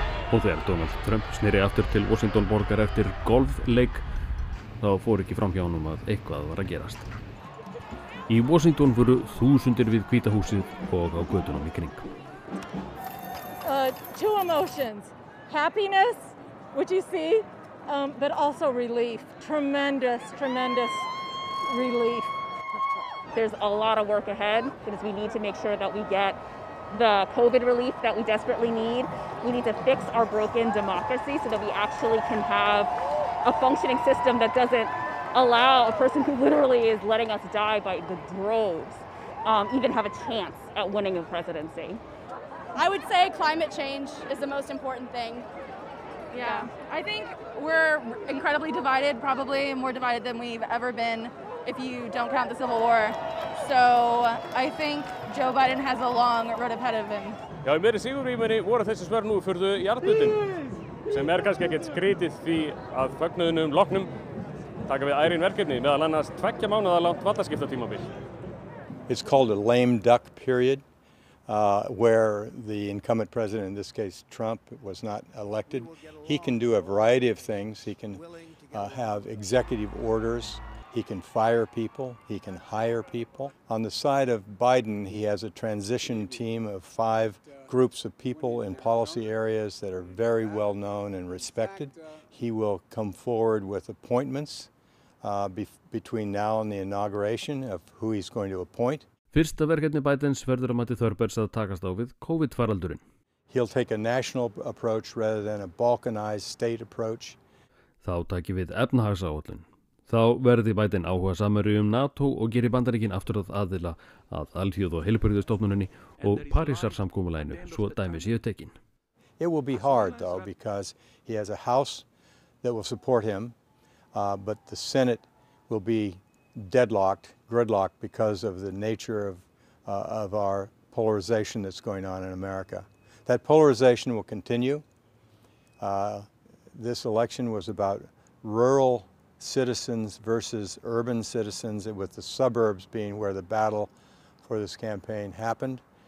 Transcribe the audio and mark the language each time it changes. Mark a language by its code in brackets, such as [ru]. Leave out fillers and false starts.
[is] Og þegar Donald Trump sneri aftur til Washington borgar eftir golfleik, þá fór ekki fram hjá honum að eitthvað var að gerast. Í Washington voru þúsundir við Hvíta húsið og á götunum í kring. [en] Two emotions. Happiness, which you see, but also relief. Tremendous, tremendous relief. There's a lot of work ahead because we need to make sure that we get the COVID relief that we desperately need. We need to fix our broken democracy so that we actually can have a functioning system that doesn't allow a person who literally is letting us die by the droves even have a chance at winning a presidency. I would say climate change is the most important thing. Yeah, I think we're incredibly divided, probably more divided than we've ever been if you don't count the Civil War. So I think Joe Biden has a long road ahead of him. [is] Já, í meiri sigurvímunni voru þessi svör nú fyrðu jarðbundin, sem kannski ekkert skrýtið því að fögnuðunum loknum taka við ærin verkefni meðal annars tveggja mánuða langt valdaskiptatímabil. [en] It's called a lame duck period. Where the incumbent president, in this case Trump, was not elected. He can do a variety of things. He can have executive orders. He can fire people. He can hire people. On the side of Biden, he has a transition team of five groups of people in policy areas that are very well known and respected. He will come forward with appointments between now and the inauguration of who he's going to appoint. [is] Fyrsta verkefni Bidens verður að mati Thurbergs að takast á við COVID-faraldurinn. [en] He'll take a national approach rather than a balkanized state approach. [is] Þá taki við efnahagsáallun. Þá verði Biden áhuga samari NATO og geri Bandaríkin aftur að aðila að alþjóð og heilbrigðisstofnuninni og Parísar samkomulaginu svo dæmi séu tekin. [en] It will be hard though because he has a house that will support him, but the Senate will be deadlocked, gridlocked because of the nature of our polarization that's going on in America. That polarization will continue. This election was about rural citizens versus urban citizens, with the suburbs being where the battle for this campaign happened.